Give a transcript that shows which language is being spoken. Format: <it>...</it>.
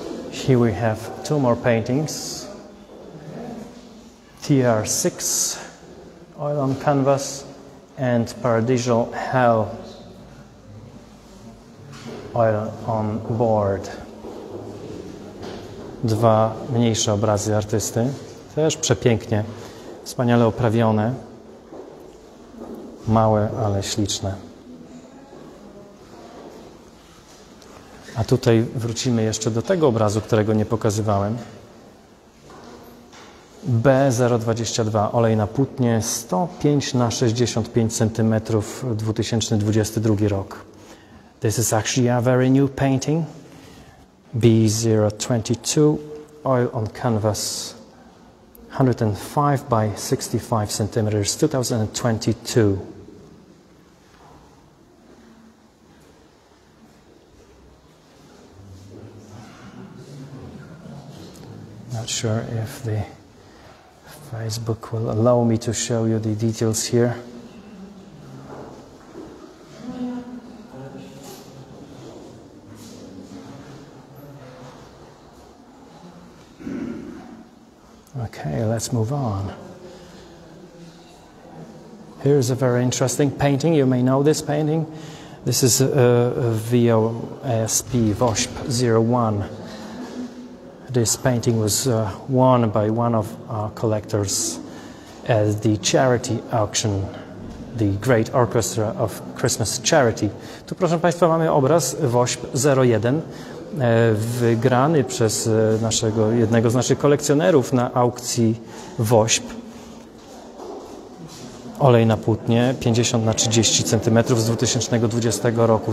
<en>Here we have two more paintings. TR6, oil on canvas, and Paradisal Hell, oil on board.</en> <pl>Dwa mniejsze obrazy artysty, też przepięknie. Wspaniale oprawione, małe, ale śliczne. A tutaj wrócimy jeszcze do tego obrazu, którego nie pokazywałem. B022, olej na płótnie, 105 na 65 cm, 2022 rok.</pl> <en>This is actually a very new painting. B022, oil on canvas. 105 by 65 centimeters, 2022. Not sure if the Facebook will allow me to show you the details here. Okay, let's move on. Here's a very interesting painting. You may know this painting. This is a VOSP, VOSP 01. This painting was won by one of our collectors at the charity auction, the Great Orchestra of Christmas Charity.</en> <pl>Tu, proszę Państwa, mamy obraz VOSP 01. Wygrany przez jednego z naszych kolekcjonerów na aukcji WOŚP. Olej na płótnie, 50 na 30 cm z 2020 roku.</pl>